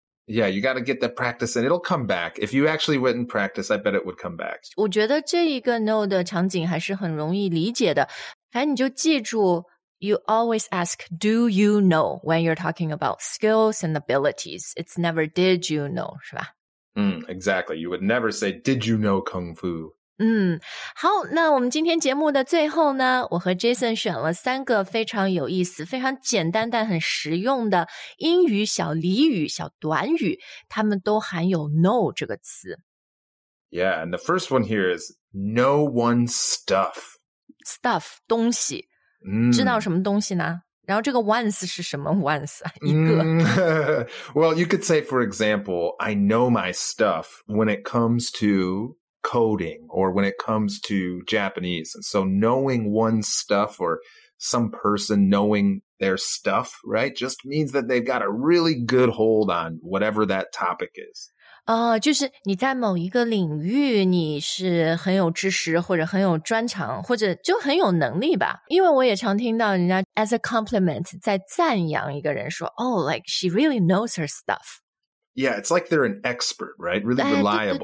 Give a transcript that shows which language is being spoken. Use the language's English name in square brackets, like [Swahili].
[English] Yeah, you got to get the practice and it'll come back. If you actually went and practice, I bet it would come back. [Chinese] 我觉得这一个 know 的场景还是很容易理解的。反正你就记住 [English] you always ask, do you know when you're talking about skills and abilities? It's never did you know, [Chinese] 是吧？ [English] Exactly. You would never say, did you know Kung Fu? [Chinese] 好，那我们今天节目的最后呢，我和 Jason 选了三个非常有意思、非常简单但很实用的英语小俚语、小短语，它们都含有 know 这个词。 [English] Yeah, and the first one here is know one's stuff. [Chinese] Stuff, 东西。知道什么东西呢？然后这个 once 是什么 once 啊？一个。 [English] Well, you could say, for example, I know my stuff when it comes to... coding or when it comes to Japanese. So knowing one's stuff or some person knowing their stuff, right? Just means that they've got a really good hold on whatever that topic is. [Chinese] 就是你在某一个领域你是很有知识或者很有专长或者就很有能力吧。因为我也常听到人家 [English] as a compliment [Chinese] 在赞扬一个人说 [English] oh, like she really knows her stuff. Yeah, it's like they're an expert, right? Really reliable.